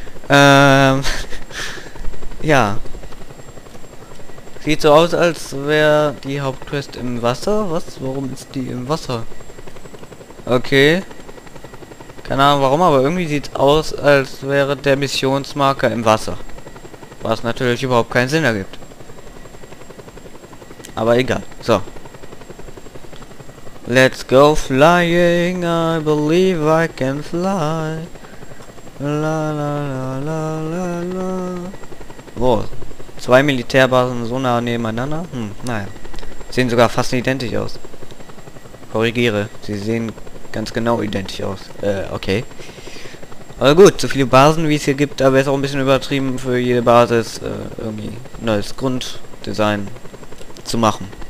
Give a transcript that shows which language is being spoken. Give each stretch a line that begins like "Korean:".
German: ja. Sieht so aus, als wäre die Hauptquest im Wasser. Was? Warum ist die im Wasser? Okay. Keine Ahnung warum, aber irgendwie sieht es aus, als wäre der Missionsmarker im Wasser. Was natürlich überhaupt keinen Sinn ergibt. aber egal. So.
English: Let's go flying, I believe I can fly.
German: La la la la la la. Wo? Zwei Militärbasen so nah nebeneinander? Hm, naja. Sehen sogar fast identisch aus. Korrigiere, sie sehen ganz genau identisch aus. Okay. Aber gut, so viele Basen wie es hier gibt, da wäre es auch ein bisschen übertrieben für jede Basis irgendwie neues Grunddesign zu machen.